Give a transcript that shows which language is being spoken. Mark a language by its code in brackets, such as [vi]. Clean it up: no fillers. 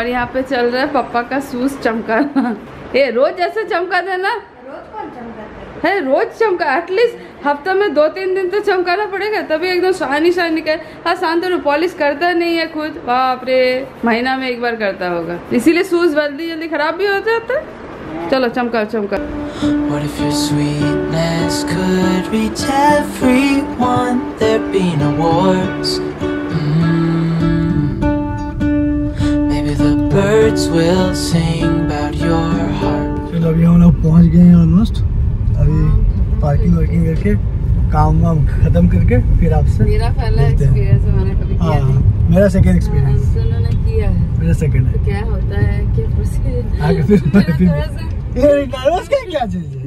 [hi] और यहाँ पे चल रहा है पापा का सूस चमका, ये रोज ऐसे चमका देना है, रोज चमका, एटलीस्ट हफ्ता में दो तीन दिन तो चमकाना पड़ेगा, तभी एकदम शाइनी का। हाँ शांतनु पॉलिश करता नहीं है खुद, बाप रे, महीना में एक बार करता होगा, इसीलिए शूज जल्दी जल्दी खराब भी हो जाता। चलो चमका चमका। [en] What if your sweetness could reach everyone, there'd be no wars. Maybe the birds will sing about your heart. [hi] चलो अभी हम लोग पहुंच गए हैं ऑलमोस्ट, अभी पार्किंग वार्किंग करके काम वाम खत्म करके फिर आपसे। मेरा पहला एक्सपीरियंस है, मैंने कभी किया है। मेरा सेकंड एक्सपीरियंस सुनो ने किया है, मेरा सेकंड है। क्या होता है, क्या प्रोसीजर है, आगे फिर मेरा थोड़ा सा ये नर्वस का क्या चीज है,